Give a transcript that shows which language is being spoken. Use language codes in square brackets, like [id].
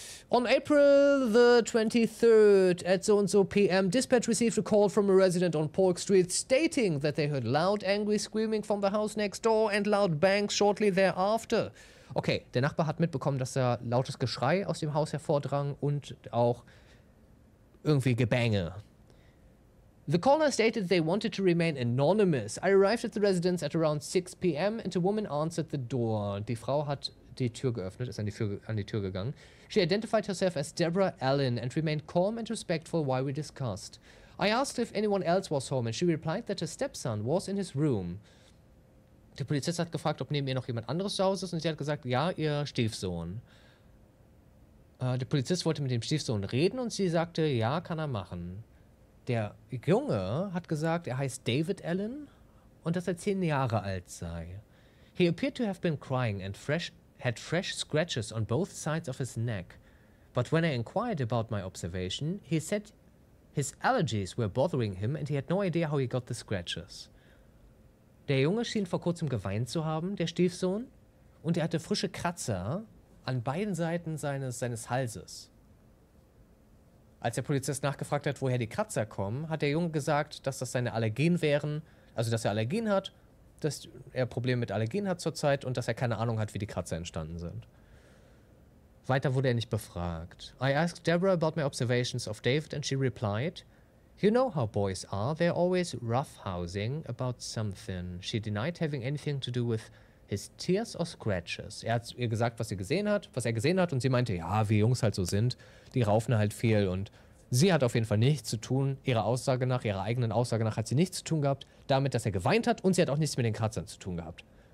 [en] On April the 23rd, at so and so PM, dispatch received a call from a resident on Polk Street stating that they heard loud, angry screaming from the house next door and loud bangs shortly thereafter. [de] Okay, der Nachbar hat mitbekommen, dass da lautes Geschrei aus dem Haus hervordrang und auch irgendwie Gebänge. [en] The caller stated they wanted to remain anonymous. I arrived at the residence at around 6 PM and a woman answered the door. [de] Die Frau hat die Tür geöffnet, ist an die Tür gegangen. [en] She identified herself as Deborah Allen and remained calm and respectful while we discussed. I asked if anyone else was home and she replied that her stepson was in his room. [de] Die Polizist hat gefragt, ob neben ihr noch jemand anderes zu Hause ist und sie hat gesagt, ja, ihr Stiefsohn. Der Polizist wollte mit dem Stiefsohn reden und sie sagte, ja, kann er machen. Der Junge hat gesagt, er heißt David Allen und dass er 10 Jahre alt sei. [en] He appeared to have been crying and had fresh scratches on both sides of his neck. But when I inquired about my observation, he said his allergies were bothering him and he had no idea how he got the scratches. [de] Der Junge schien vor kurzem geweint zu haben, der Stiefsohn, und er hatte frische Kratzer an beiden Seiten seines Halses. Als der Polizist nachgefragt hat, woher die Kratzer kommen, hat der Junge gesagt, dass das seine Allergien wären, also dass er Allergien hat, dass er Probleme mit Allergien hat zurzeit und dass er keine Ahnung hat, wie die Kratzer entstanden sind. Weiter wurde er nicht befragt. [en] I asked Deborah about my observations of David and she replied, "You know how boys are, they're always roughhousing about something." She denied having anything to do with his tears or scratches. [de] Er hat ihr gesagt, was er gesehen hat und sie meinte, ja, wie Jungs halt so sind, die raufen halt viel und sie hat auf jeden Fall nichts zu tun, ihrer eigenen Aussage nach hat sie nichts zu tun gehabt, damit, dass er geweint hat und sie hat auch nichts mit den Kratzern zu tun gehabt.